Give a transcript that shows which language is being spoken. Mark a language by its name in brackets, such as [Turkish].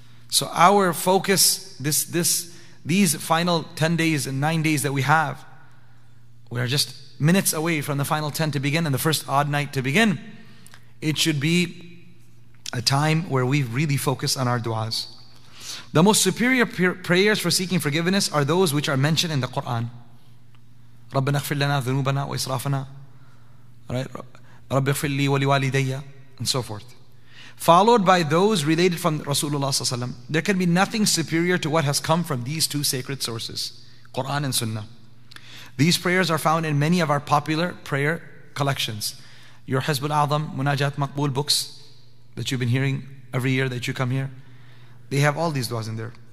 [English] So our focus, these final 10 days and 9 days that we have, we are just minutes away from the final 10 to begin and the first odd night to begin. It should be a time where we really focus on our du'as. The most superior prayers for seeking forgiveness are those which are mentioned in the Quran. [Arabic] رَبَّنَا اغْفِرْ لَنَا ذُنُوبَنَا وَإِسْرَافَنَا رَبِّ اغْفِرْ لِي وَلِوَالِدَيَّ [English] and so forth. Followed by those related from Rasulullah ﷺ. There can be nothing superior to what has come from these two sacred sources, Quran and Sunnah. These prayers are found in many of our popular prayer collections. Your Hizb al-Azam, Munajat Maqbool books that you've been hearing every year that you come here, they have all these du'as in there.